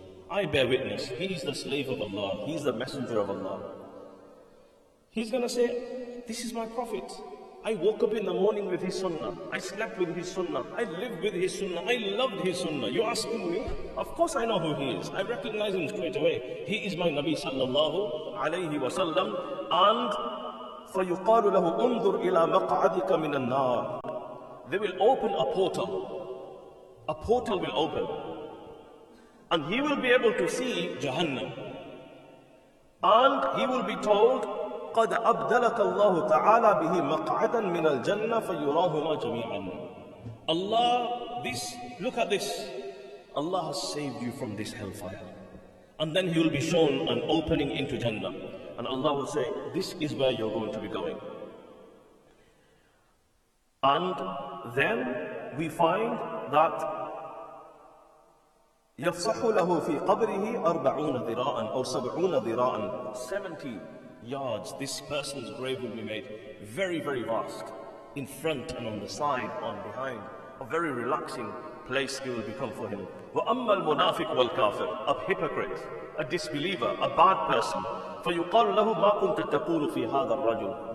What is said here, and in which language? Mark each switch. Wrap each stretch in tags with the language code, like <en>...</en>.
<en>I bear witness, he is the slave of Allah, he is the messenger of Allah. He's going to say, this is my Prophet. I woke up in the morning with his sunnah. I slept with his sunnah. I lived with his sunnah. I loved his sunnah. You're asking me? Of course I know who he is. I recognize him straight away. He is my Nabi sallallahu alayhi wa sallam. And</en> <ar>فَيُقَالُ لَهُ أُنْظُرْ إِلَىٰ مَقْعَدِكَ مِنَ النَّارِ.</ar> <en>They will open a portal. A portal will open. And he will be able to see Jahannam. And he will be told,</en> <ar>قَدْ أَبْدَلَكَ اللَّهُ تَعَالَى بِهِ مَقْعَدًا مِنَ الْجَنَّةِ فَيُرَاهُمَا جَمِيعًا.</ar> <en>Allah, this, look at this. Allah has saved you from this hellfire. And then he will be shown an opening into Jannah. And Allah will say, this is where you're going to be going. And then we find that</en> <ar>يَفْصَحُ لَهُ فِي قَبْرِهِ أَرْبَعُونَ ذِرَاءً أو سَبْعُونَ ذِرَاءً.</ar> <en>70 yards, this person's grave will be made very, very vast, in front and on the side, on behind. A very relaxing place it will become for him.</en> <ar>وَأَمَّا الْمُنَافِقْ وَالْكَافِرْ.</ar> <en>A hypocrite, a disbeliever, a bad person.</en> <ar>فَيُقَالُ لَهُ مَا كُنْتَ تَقُولُ فِي هَذَا الرَّجُلُ.</ar>